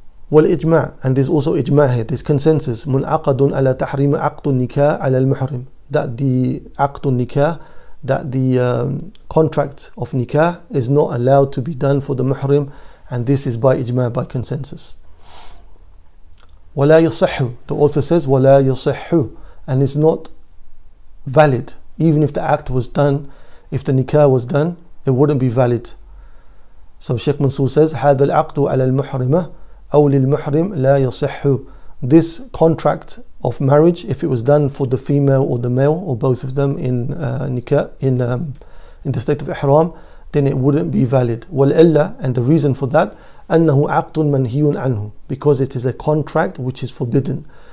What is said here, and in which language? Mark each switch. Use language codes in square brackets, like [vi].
[en] والإجماع, and there's also إجماع here, there's consensus, [ar] منعقد على تحريم عقد النكاح على المحرم, [en] that the عقد النكاح, that the contract of nikah is not allowed to be done for the muhrim, and this is by إجماع, by consensus. [ar] ولا يصح, [en] the author says, ولا يصح, and it's not valid, even if the act was done, if the nikah was done, it wouldn't be valid. So Sheikh Mansour says, [ar] هذا العقد على المحرمة أو للمحرم لا يصح. [en] This contract of marriage, if it was done for the female or the male or both of them in in the state of ihram, then it wouldn't be valid. وَالْإِلَّا, and the reason for that, [ar] أَنَّهُ عَقْدٌ مَنْهِيٌ عَنْهُ, [en] because it is a contract which is forbidden.